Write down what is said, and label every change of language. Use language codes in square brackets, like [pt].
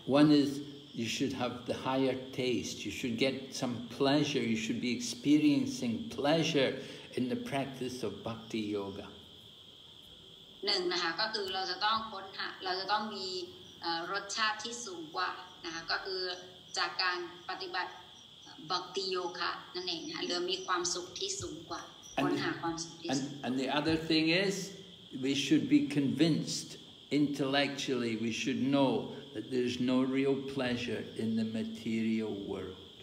[en] One is you should have the higher taste you should get some pleasure you should be experiencing pleasure in the practice of bhakti yoga [th] หนึ่งนะคะก็คือเราจะต้องค้นหาเราจะต้องมีรสชาติที่สูงกว่านะคะก็คือจากการปฏิบัติบัคติโยคะนั่นเองค่ะหรือมีความสุขที่สูงกว่า [en] And the other thing is, we should be convinced intellectually, we should know that there's no real pleasure in the material world.